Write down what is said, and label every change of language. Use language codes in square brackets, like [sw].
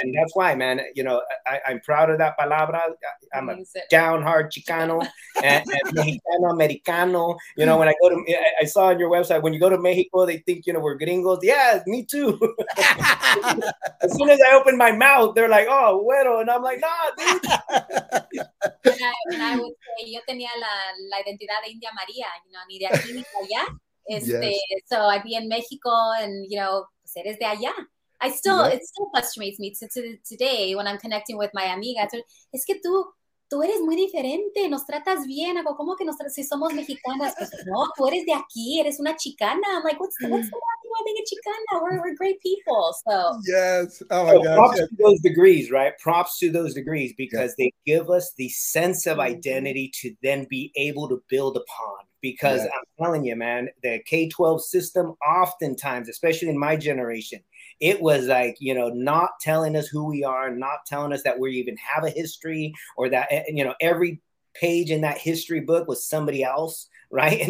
[en] And that's why, man, you know, I'm proud of that palabra. I'm a down hard Chicano and Mexicano Americano. You know, when I go to, I saw on your website, when you go to Mexico, they think, you know, we're gringos. Yeah, me too. As soon as I open my mouth, they're like, oh, bueno. And I'm like, nah, dude. When I would say, [es] yo tenía la identidad de India María, [en] you know, [es] ni de aquí ni allá. [en] So I'd be in Mexico and, you know, [es] eres de allá. [en] It still frustrates me to today when I'm connecting with my amiga. [es] Es que tú eres muy diferente. Nos tratas bien. Digo, ¿cómo que si somos mexicanas? Pues, no, tú eres de aquí. Eres una chicana. [en] I'm like, what's the matter with being a chicana? We're great people. So yes. Oh my gosh. Props to those degrees, right? Props to those degrees because they give us the sense of identity to then be able to build upon. Because I'm telling you, man, the K-12 system oftentimes, especially in my generation, it was like, you know, not telling us who we are, not telling us that we even have a history, or that, you know, every page in that history book was somebody else, right?